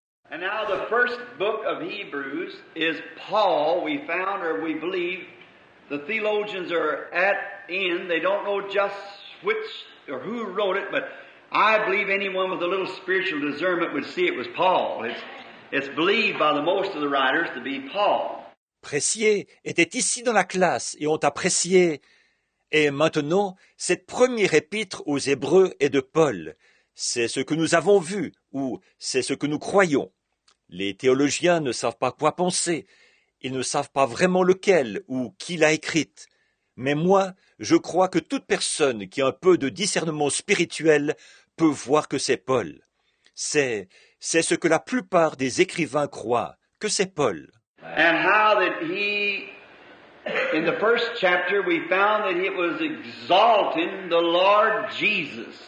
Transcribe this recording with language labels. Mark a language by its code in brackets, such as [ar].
[en] And now the first book of Hebrews is Paul. We found, or we believe, the theologians are at end. They don't know just which or who wrote it, but I believe anyone with a little spiritual discernment would see it was Paul. It's believed by the most of the writers to be Paul. [fr] Pressier était ici dans la classe et ont apprécié. Et maintenant, cette première épître aux Hébreux est de Paul. C'est ce que nous avons vu, ou c'est ce que nous croyons. Les théologiens ne savent pas quoi penser. Ils ne savent pas vraiment lequel ou qui l'a écrite. Mais moi, je crois que toute personne qui a un peu de discernement spirituel peut voir que c'est Paul. C'est ce que la plupart des écrivains croient, que c'est Paul. [en] And how that he, in the first chapter, we found that he was exalting the Lord Jesus.